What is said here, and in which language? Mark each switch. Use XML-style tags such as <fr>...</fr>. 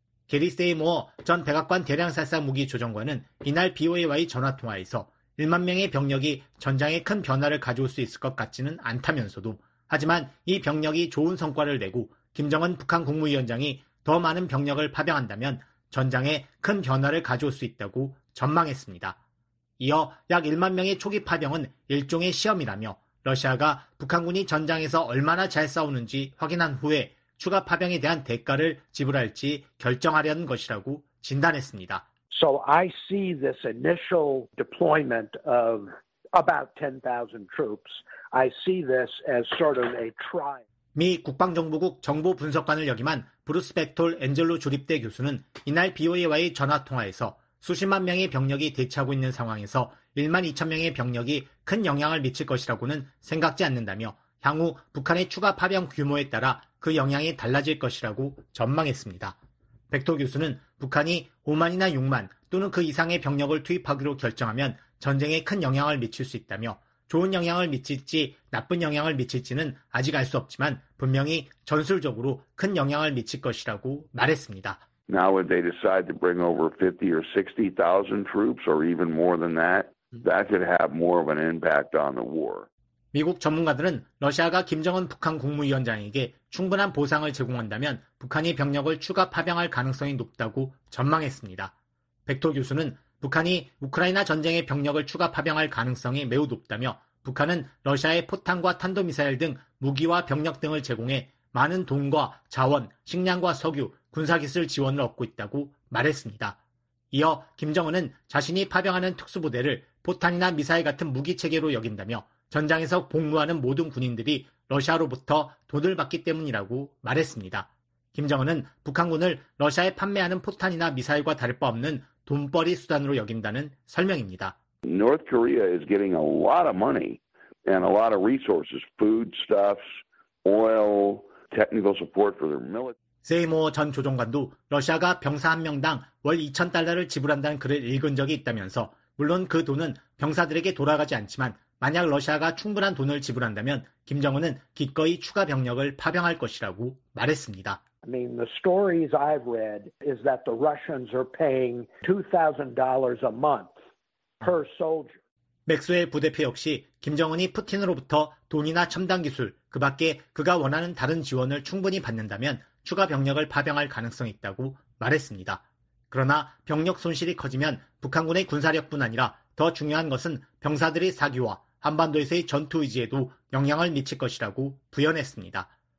<ko>게리 세이모어 전 백악관 대량살상무기조정관은 이날 BOA와의 전화통화에서 1만 명의 병력이 전장에 큰 변화를 가져올 수 있을 것 같지는 않다면서도 하지만 이 병력이 좋은 성과를 내고 김정은 북한 국무위원장이 더 많은 병력을 파병한다면 전장에 큰 변화를 가져올 수 있다고 전망했습니다. 이어 약 1만 명의 초기 파병은 일종의 시험이라며 러시아가 북한군이 전장에서 얼마나 잘 싸우는지 확인한 후에 추가 파병에 대한 대가를 지불할지 결정하려는 것이라고 진단했습니다.</ko> <en>So I see this initial deployment of about 10,000 troops. I see this as sort of a trial.</en> <ko>미 국방정보국 정보분석관을 역임한 브루스 백톨 엔젤로 주립대 교수는 이날 BOA와의 전화통화에서 수십만 명의 병력이 대치하고 있는 상황에서 1만 2천 명의 병력이 큰 영향을 미칠 것이라고는 생각지 않는다며 향후 북한의 추가 파병 규모에 따라 그 영향이 달라질 것이라고 전망했습니다. 백토 교수는 북한이 5만이나 6만 또는 그 이상의 병력을 투입하기로 결정하면 전쟁에 큰 영향을 미칠 수 있다며 좋은 영향을 미칠지 나쁜 영향을 미칠지는 아직 알 수 없지만 분명히 전술적으로 큰 영향을 미칠 것이라고 말했습니다.</ko> <en>Now would they decide to bring over 50 or 60,000 troops or even more than that? That could have more of an impact on the war.</en> <ko>미국 전문가들은 러시아가 김정은 북한 국무위원장에게 충분한 보상을 제공한다면 북한이 병력을 추가 파병할 가능성이 높다고 전망했습니다. 백토 교수는 북한이 우크라이나 전쟁에 병력을 추가 파병할 가능성이 매우 높다며 북한은 러시아의 포탄과 탄도미사일 등 무기와 병력 등을 제공해 많은 돈과 자원, 식량과 석유, 군사기술 지원을 얻고 있다고 말했습니다. 이어 김정은은 자신이 파병하는 특수부대를 포탄이나 미사일 같은 무기체계로 여긴다며 전장에서 복무하는 모든 군인들이 러시아로부터 돈을 받기 때문이라고 말했습니다. 김정은은 북한군을 러시아에 판매하는 포탄이나 미사일과 다를 바 없는 돈벌이 수단으로 여긴다는 설명입니다.</ko> <en>North Korea is getting a lot of money and a lot of resources, foodstuffs, oil, technical support for their military.</en> <ko>세이모어 전 조정관도 러시아가 병사 한 명당 월 2천 달러를 지불한다는 글을 읽은 적이 있다면서 물론 그 돈은 병사들에게 돌아가지 않지만 만약 러시아가 충분한 돈을 지불한다면 김정은은 기꺼이 추가 병력을 파병할 것이라고 말했습니다.</ko> <en>I mean, the stories I've read is that the Russians are paying $2,000 a month per soldier.</en> <ko>맥스웰 부대표 역시 김정은이 푸틴으로부터 돈이나 첨단 기술, 그 밖에 그가 원하는 다른 지원을 충분히 받는다면 추가 병력을 파병할 가능성이 있다고 말했습니다. 그러나 병력 손실이 커지면 북한군의 군사력뿐 아니라 더 중요한 것은 병사들의 사기와 한반도에서의 전투 의지에도 영향을 미칠 것이라고 부연했습니다.</ko>